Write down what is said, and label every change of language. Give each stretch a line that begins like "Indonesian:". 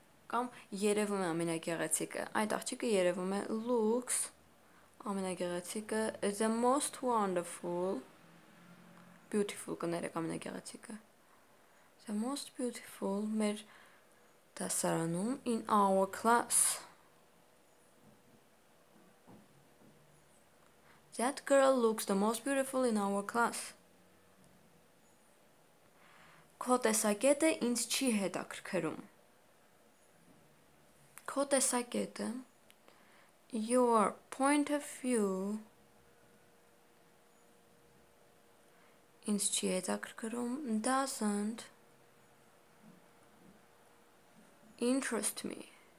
Armenian: կամ երևում է ամենագեղեցիկը, այդ աղջիկը երևում է,
English: looks
Armenian: ամենագեղեցիկը,
English: the most wonderful, beautiful
Armenian: կներեք ամենագեղեցիկը,
English: the most beautiful
Armenian: մեր դասարանում,
English: in our class. That girl looks the most beautiful in our class.
Armenian: Քո տեսակետը ինձ չի հետաքրքրում. Քո տեսակետը,
English: your point of view,
Armenian: ինձ չի հետաքրքրում,
English: doesn't interest me.